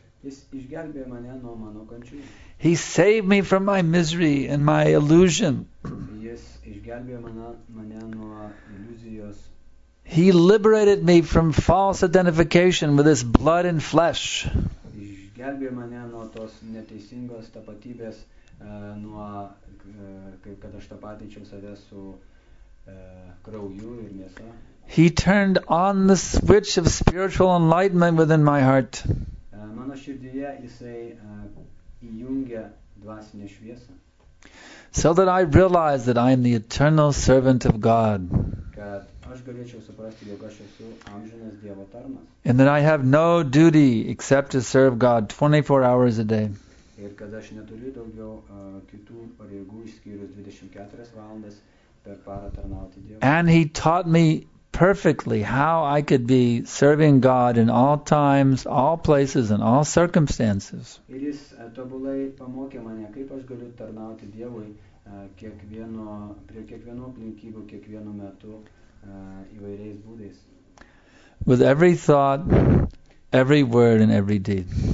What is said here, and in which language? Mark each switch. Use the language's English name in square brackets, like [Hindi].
[Lithuanian] Jis išgelbėjo mane nuo mano kančių. [English] He saved me from my misery and my illusion. [Lithuanian] Jis išgelbėjo mane nuo iliuzijos. [English] He liberated me from false identification with this blood and flesh. [Lithuanian] Išgelbėjo mane nuo tos neteisingos tapatybės, nuo kad aš tapatyčiau save su krauju ir mėsa. [English] He turned on the switch of spiritual enlightenment within my heart. [Lithuanian] Mano širdyje jisai įjungia dvasinę šviesą. [English] So that I realize that I am the eternal servant of God. [Lithuanian] Kad aš galėčiau suprasti, jog aš esu amžinas Dievo tarnas. [English] And that I have no duty except to serve God 24 hours a day. [Lithuanian] Ir kad aš neturiu daugiau kitų pareigų išskyrus 24 valandas per parą tarnauti Dievui. [English] And he taught me perfectly how I could be serving God in all times, all places, and all circumstances. [Lithuanian] Ir jis tobulai pamokė mane, kaip aš galiu tarnauti Dievui prie kiekvienų aplinkybių, kiekvienu metu įvairiais būdais. [English] With every thought, every word, and every deed.